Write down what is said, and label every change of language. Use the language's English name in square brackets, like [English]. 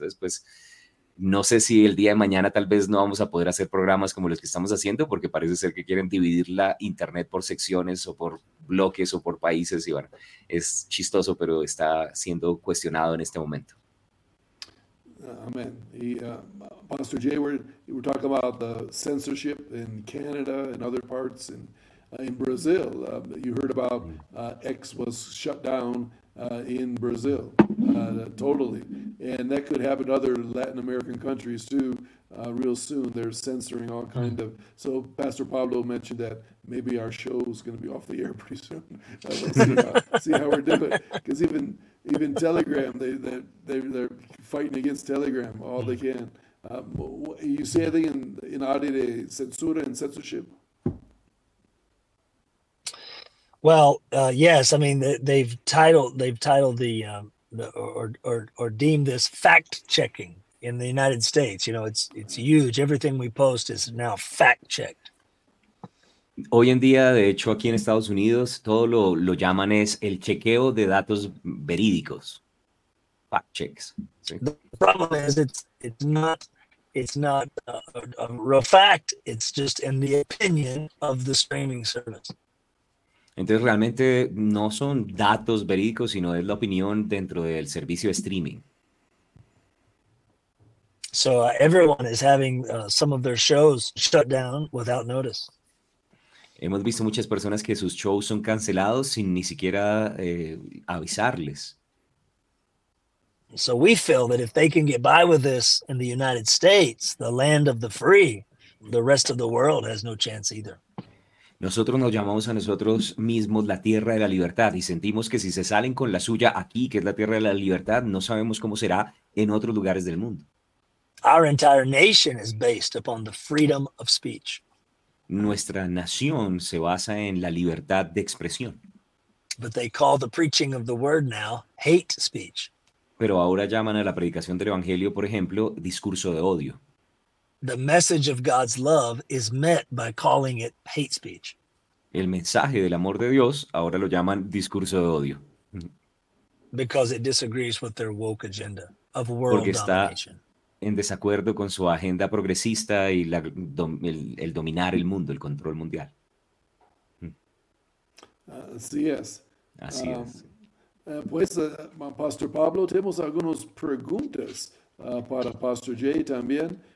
[Spanish] Entonces, pues, no sé si el día de mañana tal vez no vamos a poder hacer programas como los que estamos haciendo, porque parece ser que quieren dividir la internet por secciones o por bloques o por países. Y bueno, es chistoso, pero está siendo cuestionado en este momento. [English] Amen. Pastor Jay, we're talking about the censorship in Canada and other parts, and in Brazil, you heard about X was shut down in Brazil, totally, and that could happen to other Latin American countries too. Real soon, they're censoring all kind of. So Pastor Pablo mentioned that maybe our show is going to be off the air pretty soon. see how we're doing, because even Telegram, they're fighting against Telegram all they can. You see anything in audio [Spanish] de censura [English] and censorship? Well, yes. I mean, they've titled the deemed this fact checking in the United States. You know, it's huge. Everything we post is now fact checked. [Spanish] Hoy en día, de hecho, aquí en Estados Unidos, todo lo llaman es el chequeo de datos verídicos, [English] fact checks. [Spanish] ¿Sí? [English] The problem is it's not a real fact. It's just in the opinion of the streaming service. [Spanish] Entonces, realmente no son datos verídicos, sino es la opinión dentro del servicio de streaming. [English] So everyone is having some of their shows shut down without notice. [Spanish] Hemos visto muchas personas que sus shows son cancelados sin ni siquiera avisarles. [English] So we feel that if they can get by with this in the United States, the land of the free, the rest of the world has no chance either. [Spanish] Nosotros nos llamamos a nosotros mismos la tierra de la libertad y sentimos que si se salen con la suya aquí, que es la tierra de la libertad, no sabemos cómo será en otros lugares del mundo. [English] Our entire nation is based upon the freedom of speech. [Spanish] Nuestra nación se basa en la libertad de expresión. [English] But they call the preaching of the word now hate speech. [Spanish] Pero ahora llaman a la predicación del evangelio, por ejemplo, discurso de odio. [English] The message of God's love is met by calling it hate speech. [Spanish] El mensaje del amor de Dios ahora lo llaman discurso de odio. [English] Because it disagrees with their woke agenda of world domination. [Spanish] En desacuerdo con su agenda progresista y el dominar el mundo, el control mundial. Así es. Así es. Pues, Pastor Pablo, tenemos algunas preguntas para Pastor Jay también.